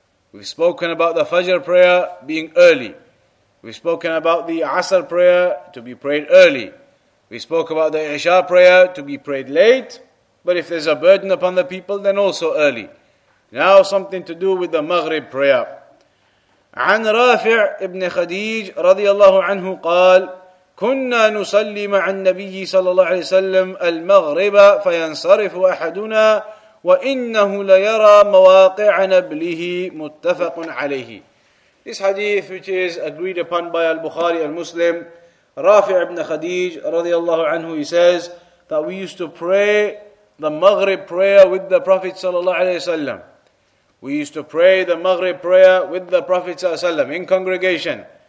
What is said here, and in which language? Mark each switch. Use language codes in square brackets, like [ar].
[en] We've spoken about the Fajr prayer being early. We've spoken about the Asr prayer to be prayed early. We spoke about the Isha prayer to be prayed late, but if there's a burden upon the people, then also early. Now something to do with the Maghrib prayer. [ar] عن رافع ابن خديج رضي الله عنه قال كنا نصلي مع النبي صلى الله عليه وسلم المغرب فينصرف أحدنا وإنه ليرى مواقع نبله متفق عليه. [en] This hadith, which is agreed upon by Al-Bukhari and Muslim, Rafi' ibn Khadij radiallahu anhu, he says that we used to pray the Maghrib prayer with the Prophet sallallahu alayhi wa sallam. We used to pray the Maghrib prayer with the Prophet sallallahu alayhi wa sallam in congregation.